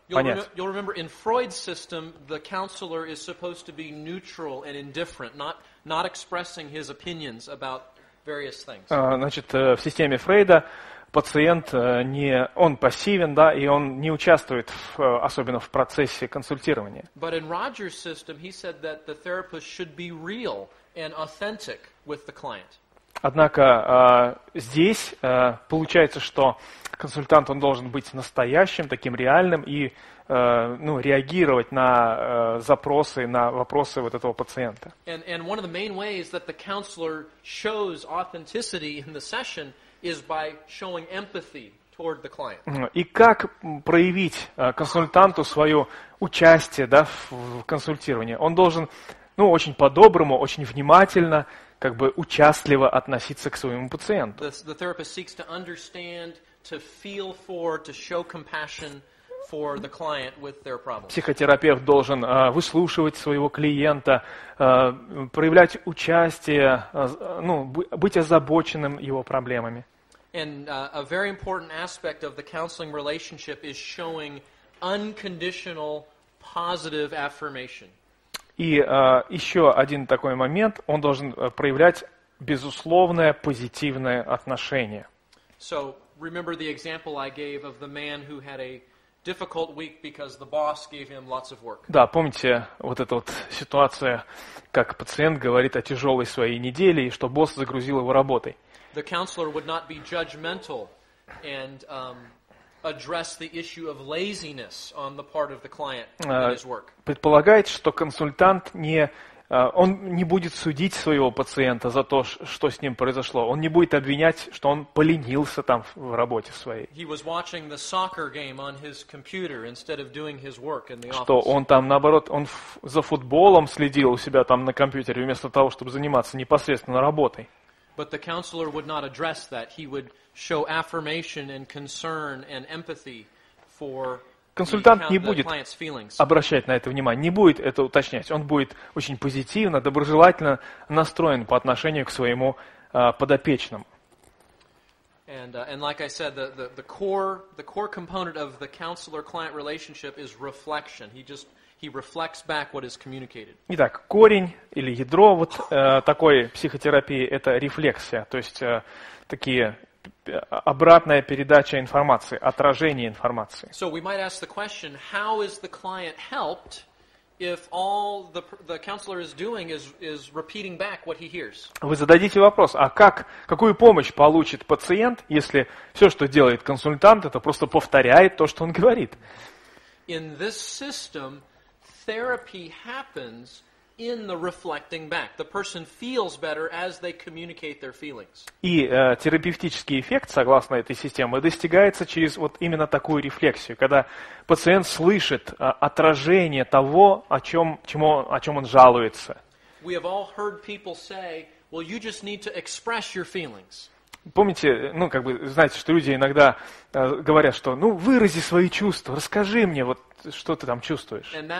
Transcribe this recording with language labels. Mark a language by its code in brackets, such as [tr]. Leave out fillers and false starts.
[en] You'll remember in Freud's system the counselor is supposed to be neutral and indifferent, not expressing his opinions about various things. [ru] Значит, в системе Фрейда пациент он пассивен, да, и он не участвует особенно в процессе консультирования. [en] But in Rogers' system he said that the therapist should be real and authentic with the client. [ru] Однако здесь получается, что консультант, он должен быть настоящим, таким реальным и ну, реагировать на запросы, на вопросы вот этого пациента. [en] And one of the main ways that the counselor shows authenticity in the session is by showing empathy toward the client. [ru] И как проявить консультанту свое участие, да, в консультировании? Он должен, ну, очень по-доброму, очень внимательно, как бы участливо относиться к своему пациенту. [en] The therapist seeks to understand, to feel for, to show compassion for the client with their problems. [ru] Психотерапевт должен выслушивать своего клиента, проявлять участие, ну, быть озабоченным его проблемами. [en] And a very important aspect of the counseling relationship is showing unconditional positive affirmation. [ru] И еще один такой момент, он должен проявлять безусловное позитивное отношение. [en] So, remember the example I gave of the man who had a difficult week because the boss gave him lots of work. [ru] Да, помните вот эту вот ситуацию, как пациент говорит о тяжелой своей неделе и что босс загрузил его работой. [en] The counselor would not be judgmental and address the issue of laziness on the part of the client in his work. [ru] Предполагает, что консультант не он не будет судить своего пациента за то, что с ним произошло. Он не будет обвинять, что он поленился там в работе своей. [en] He was watching the soccer game on his computer instead of doing his work in the office. [ru] Что он там, наоборот, он за футболом следил у себя там на компьютере вместо того, чтобы заниматься непосредственно работой. [en] But the counselor would not address that. He would show affirmation and concern and empathy for [ru] Консультант не будет обращать на это внимание, не будет это уточнять. Он будет очень позитивно, доброжелательно настроен по отношению к своему подопечному. [en] And like I said, the core component of the counselor-client relationship is reflection. He reflects back what is communicated. [ru] Итак, корень или ядро вот такой психотерапии – это рефлексия, то есть такие обратная передача информации, отражение информации. [en] So we might ask the question, how is the client helped if all the counselor is doing is repeating back what he hears? [ru] Вы зададите вопрос, а какую помощь получит пациент, если все, что делает консультант, это просто повторяет то, что он говорит? [en] In this system, therapy happens in the reflecting back. The person feels better as they communicate their feelings. [ru] И терапевтический эффект, согласно этой системе, достигается через вот именно такую рефлексию, когда пациент слышит отражение того, о чем он жалуется. [en] We have all heard people say, well, you just need to express your feelings. [ru] Помните, ну, как бы, знаете, что люди иногда говорят, что, ну, вырази свои чувства, расскажи мне, вот, что ты там чувствуешь.